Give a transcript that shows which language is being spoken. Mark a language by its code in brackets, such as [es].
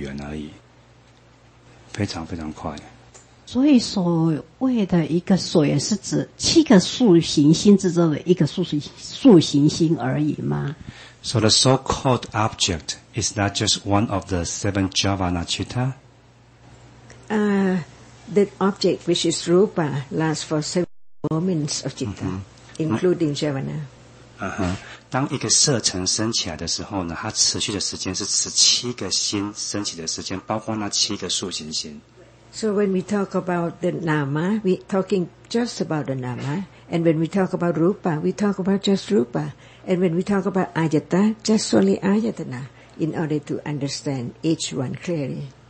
[zh] 非常非常快啊，你看眼睛睁开就看到很多东西啊，所以它已经是不止一刻了，因为一次一刻只有一个所缘而已，非常非常快。所以所谓的一个所缘是指七个塑形心之中的一个塑形心而已吗？ [en] So the so-called object is not just one of the seven Javana Chitta? The object which is Rupa lasts for seven moments of Chitta, including Javana. [zh] 当一个色尘升起来的时候呢，它持续的时间是17个心升起的时间，包括那七个塑形心。 [en] So when we talk about the nama, we're talking just about the nama. And when we talk about rupa, we talk about just rupa. And when we talk about ayata, just only ayatana, in order to understand each one clearly.